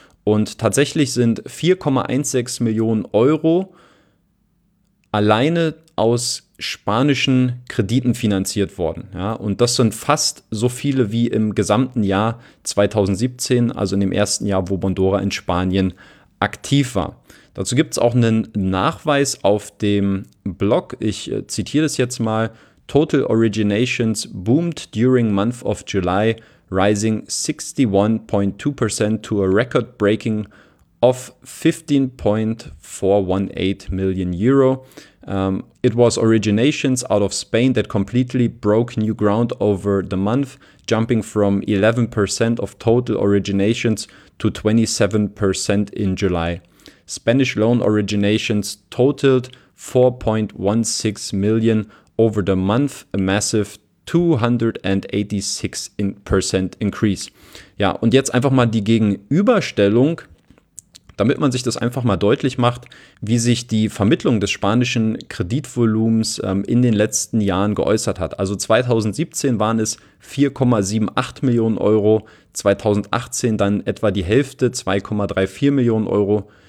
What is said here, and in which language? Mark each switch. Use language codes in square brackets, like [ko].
[de] Und tatsächlich sind 4,16 Millionen Euro alleine aus spanischen Krediten finanziert worden. Ja, und das sind fast so viele wie im gesamten Jahr 2017, also in dem ersten Jahr, wo Bondora in Spanien aktiv war. Dazu gibt es auch einen Nachweis auf dem Blog. Ich zitiere das jetzt mal. [en] Total Originations boomed during month of July, rising 61.2% to a record-breaking of 15.418 million euro. It was originations out of Spain that completely broke new ground over the month, jumping from 11% of total originations to 27% in July. Spanish loan originations totaled 4.16 million over the month, a massive 286% increase. [de] Ja, und jetzt einfach mal die Gegenüberstellung, damit man sich das einfach mal deutlich macht, wie sich die Vermittlung des spanischen Kreditvolumens in den letzten Jahren geäußert hat. Also 2017 waren es 4,78 Millionen Euro, 2018 dann etwa die Hälfte, 2,34 Millionen Euro.